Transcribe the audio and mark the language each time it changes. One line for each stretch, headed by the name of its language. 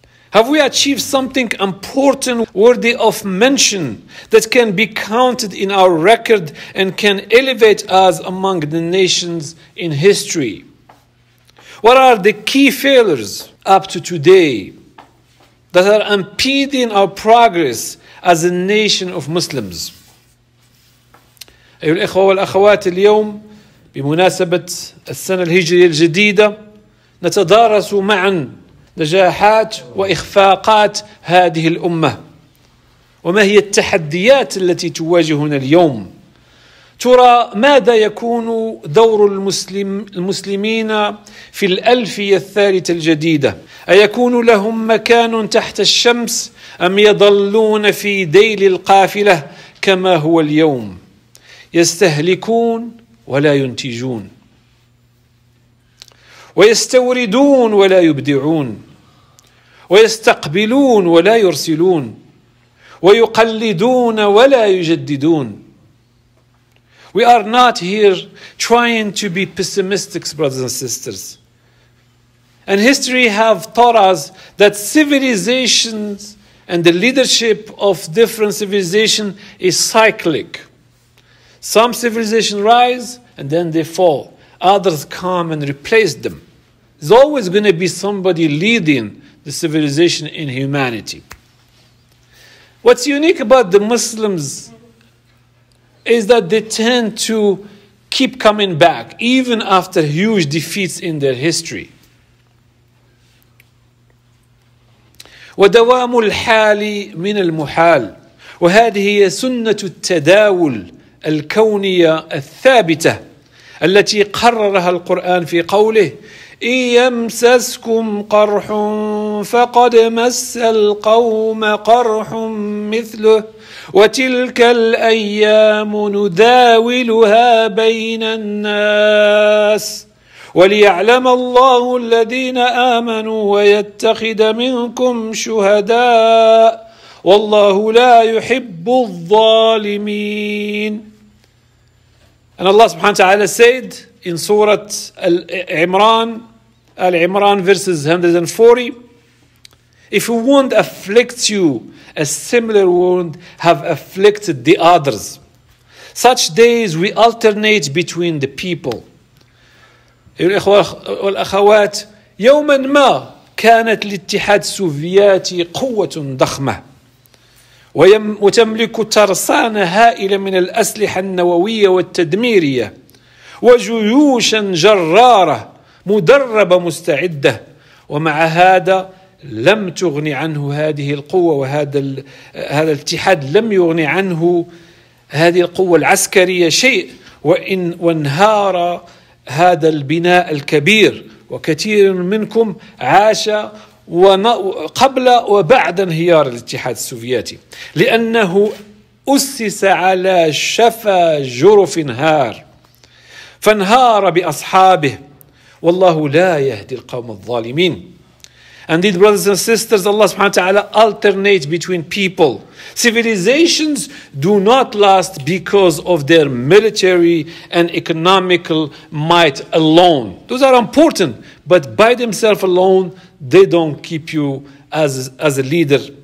English: Have we achieved something important worthy of mention that can be counted in our record and can elevate us among the nations in history? What are the key failures up to today that are impeding our progress as a nation of Muslims?
Arabic: أيها الإخوة والأخوات اليوم بمناسبة السنة الهجرية الجديدة نتدارس معا نجاحات وإخفاقات هذه الأمة وما هي التحديات التي تواجهنا اليوم. ترى ماذا يكون دور المسلمين في الألفية الثالثة الجديدة؟ أيكون لهم مكان تحت الشمس أم يضلون في ذيل القافلة كما هو اليوم؟ يستهلكون ولا ينتجون ويستوردون ولا يبدعون ويستقبلون ولا يرسلون وَيُقَلِّدُونَ وَلَا يُجَدِّدُونَ.
English: We are not here trying to be pessimistic, brothers and sisters. And history have taught us that civilizations and the leadership of different civilizations is cyclic. Some civilizations rise and then they fall. Others come and replace them. There's always going to be somebody leading the civilization in humanity. What's unique about the Muslims is that they tend to keep coming back, even after huge defeats in their history.
Arabic: ودوام الحال من المحال وهذه هي سنة التداول الكونية الثابتة التي قررها القرآن في قوله إن يمسسكم قرح فقد مس القوم قرح مثله وتلك الأيام نداولها بين الناس وليعلم الله الذين آمنوا ويتخذ منكم شهداء والله لا يحب الظالمين.
English: And Allah subhanahu wa ta'ala said in Surah Al-Imran, Al-Imran verses 140, if a wound afflicts you, a similar wound have afflicted the others. Such days we alternate between the people.
Arabic: الإخوة والأخوات يوما ما كانت الاتحاد السوفياتي قوة ضخمة وتملك ترسانة هائلة من الأسلحة النووية والتدميرية وجيوشا جرارة مدربة مستعدة ومع هذا لم تغني عنه هذه القوة وهذا الاتحاد لم يغني عنه هذه القوة العسكرية شيء وإن وانهار هذا البناء الكبير وكثير منكم عاش قبل وبعد انهيار الاتحاد السوفيتي لأنه أسس على شفا جرف هار فانهار بأصحابه والله لا يهدي القوم الظالمين.
English: Indeed, brothers and sisters, Allah subhanahu wa ta'ala alternates between people. Civilizations do not last because of their military and economical might alone. Those are important, but by themselves alone, they don't keep you as a leader.